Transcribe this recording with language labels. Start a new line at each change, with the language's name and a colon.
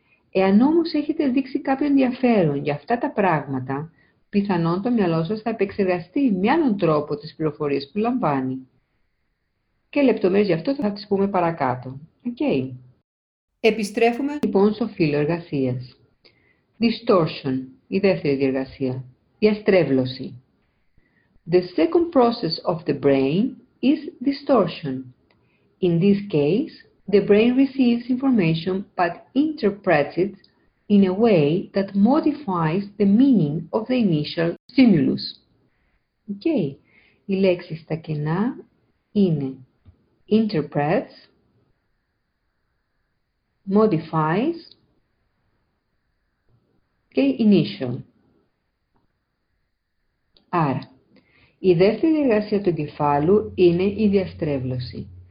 Greek: Εάν όμως έχετε δείξει κάποιο ενδιαφέρον για αυτά τα πράγματα, πιθανόν το μυαλό σας θα επεξεργαστεί με άλλον τρόπο τις πληροφορίες που λαμβάνει. Και λεπτομέρειες γι' αυτό θα τις πούμε παρακάτω. Okay. Επιστρέφουμε λοιπόν στο φύλλο εργασίας. Distortion, η δεύτερη διεργασία. Διαστρέβλωση.
English: The second process of the brain is distortion. In this case, the brain receives information but interprets it in a way that modifies the meaning of the initial stimulus. Okay.
Greek: Οι λέξεις τα κενά είναι interprets, modifies και initial. Άρα, η δεύτερη εργασία του εγκεφάλου είναι η διαστρέβλωση.